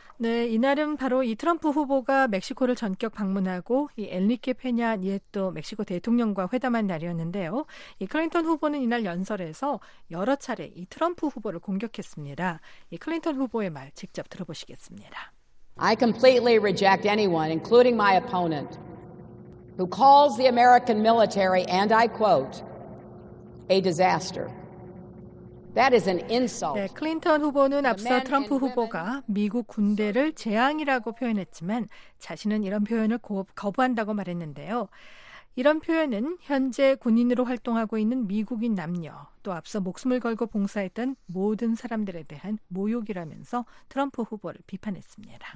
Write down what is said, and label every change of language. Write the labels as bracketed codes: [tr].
[ko] 네, 이날은 바로 이 트럼프 후보가 멕시코를 전격 방문하고 이 엘리케 페냐 니에토 멕시코 대통령과 회담한 날이었는데요. 이 클린턴 후보는 이날 연설에서 여러 차례 이 트럼프 후보를 공격했습니다. 이 클린턴 후보의 말 직접 들어보시겠습니다. [en] I completely reject anyone, including my opponent, who calls the American military, and I quote, a disaster. That is an insult. [ko] 네, 클린턴 후보는 앞서 트럼프 후보가 미국 군대를 재앙이라고 표현했지만 자신은 이런 표현을 거부한다고 말했는데요. 이런 표현은 현재 군인으로 활동하고 있는 미국인 남녀, 또 앞서 목숨을 걸고 봉사했던 모든 사람들에 대한 모욕이라면서 트럼프 후보를 비판했습니다.